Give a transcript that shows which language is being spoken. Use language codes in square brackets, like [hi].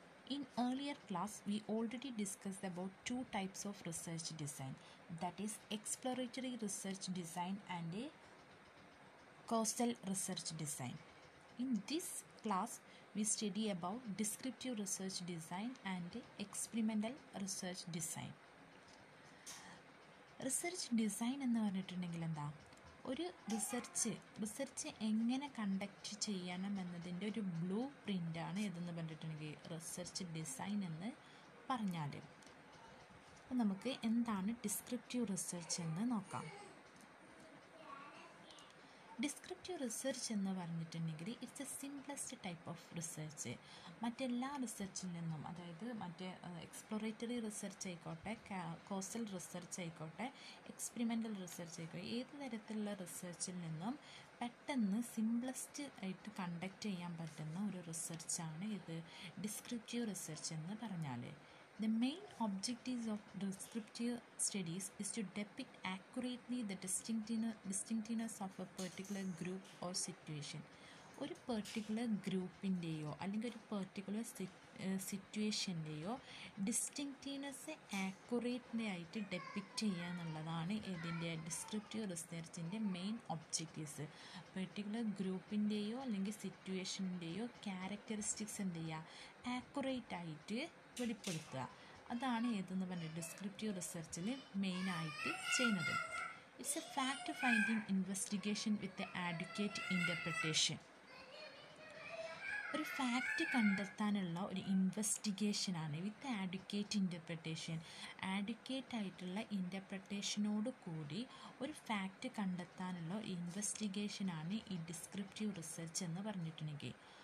[en] In earlier class, we already discussed about two types of research design, that is exploratory research design and a causal research design. In this class, we study about descriptive research design and experimental research design. [ml] Research design എന്ന് പറഞ്ഞിട്ടുണ്ടെങ്കിൽ എന്താ ഒരു research എങ്ങനെ conduct ചെയ്യണം എന്നതിൻ്റെ ഒരു blue പ്രിൻ്റാണ് ഇതെന്ന് പറഞ്ഞിട്ടുണ്ടെങ്കിൽ റിസർച്ച് ഡിസൈൻ എന്ന് പറഞ്ഞാൽ. അപ്പോൾ നമുക്ക് എന്താണ് ഡിസ്ക്രിപ്റ്റീവ് റിസർച്ച് എന്ന് നോക്കാം. ഡിസ്ക്രിപ്റ്റീവ് റിസർച്ച് എന്ന് പറഞ്ഞിട്ടുണ്ടെങ്കിൽ [en] It's a simplest type of research. [ml] മറ്റെല്ലാ റിസർച്ചിൽ നിന്നും, അതായത് മറ്റേ എക്സ്പ്ലോറേറ്ററി റിസർച്ച് ആയിക്കോട്ടെ, കോസ്റ്റൽ റിസർച്ച് ആയിക്കോട്ടെ, എക്സ്പെരിമെൻ്റൽ റിസർച്ച് ആയിക്കോട്ടെ, ഏത് തരത്തിലുള്ള റിസർച്ചിൽ നിന്നും പെട്ടെന്ന് സിംപ്ലസ്റ്റ് ആയിട്ട് കണ്ടക്ട് ചെയ്യാൻ പറ്റുന്ന ഒരു റിസർച്ചാണ് ഇത് ഡിസ്ക്രിപ്റ്റീവ് റിസർച്ച് എന്ന് പറഞ്ഞാൽ. [en] The main objectives of descriptive studies is to depict accurately the distinctiveness of a particular group or situation. [ml] ഒരു പെർട്ടിക്കുലർ ഗ്രൂപ്പിൻ്റെയോ അല്ലെങ്കിൽ ഒരു പെർട്ടിക്കുലർ സിറ്റുവേഷൻ്റെയോ ഡിസ്റ്റിങ്റ്റീവ്നെസ് ആക്യുറേറ്റ്ലി ആയിട്ട് ഡെപ്പിക്റ്റ് ചെയ്യുക എന്നുള്ളതാണ് ഇതിൻ്റെ ഡിസ്ക്രിപ്റ്റീവ് റിസർച്ചിൻ്റെ മെയിൻ ഒബ്ജക്റ്റീവ്സ്. പെർട്ടിക്കുലർ ഗ്രൂപ്പിൻ്റെയോ അല്ലെങ്കിൽ സിറ്റുവേഷൻ്റെയോ ക്യാരക്ടറിസ്റ്റിക്സ് എന്ത് ചെയ്യുക, ആക്യുറേറ്റ് ആയിട്ട് വെളിപ്പെടുത്തുക, അതാണ് ഏതെന്ന് പറഞ്ഞാൽ ഡിസ്ക്രിപ്റ്റീവ് റിസർച്ചിൽ മെയിനായിട്ട് ചെയ്യുന്നത്. [en] It's a fact-finding investigation with the adequate interpretation. [ml] ഒരു ഫാക്റ്റ് കണ്ടെത്താനുള്ള ഒരു ഇൻവെസ്റ്റിഗേഷനാണ് [en] With advocate interpretation. [ml] ആഡ്വക്കേറ്റ് ആയിട്ടുള്ള ഇൻ്റർപ്രിറ്റേഷനോട് കൂടി ഒരു ഫാക്റ്റ് കണ്ടെത്താനുള്ള ഒരു ഇൻവെസ്റ്റിഗേഷനാണ് ഈ ഡിസ്ക്രിപ്റ്റീവ് റിസർച്ച് എന്ന് പറഞ്ഞിട്ടുണ്ടെങ്കിൽ.